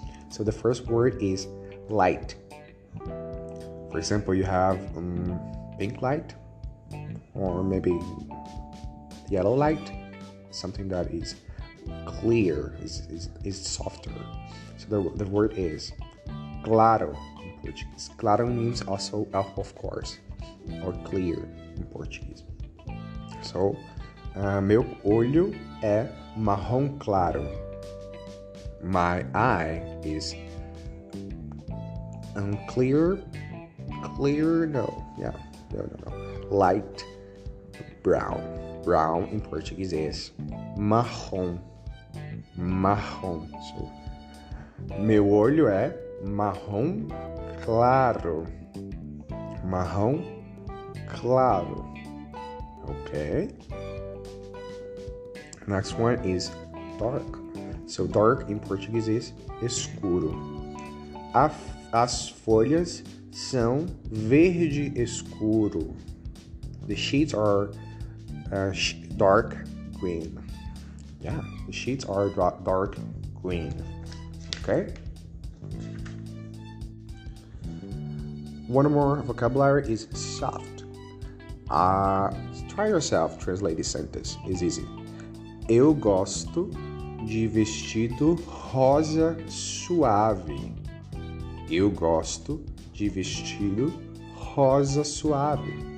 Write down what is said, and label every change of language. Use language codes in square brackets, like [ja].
[en] So the first word is light. For example, you have pink light, or maybe yellow light, something that is clear, is softer. So the word is claro in Portuguese. Claro means also of course, or clear in Portuguese. [pt] So, meu olho é marrom claro. [en] My eye is unclear, clear, no, yeah, no. Light brown. Brown in Portuguese is marrom. [pt] Marrom. So, meu olho é marrom claro. Marrom claro. Okay. [en] Next one is dark. So dark in Portuguese is escuro. [pt] As folhas são verde escuro. [en] The sheets are dark green. Yeah, the sheets are dark green. Okay. One more vocabulary is soft. Try yourself, translate this sentence. It's easy. [pt] Eu gosto de vestido rosa suave. Eu gosto de vestido rosa suave.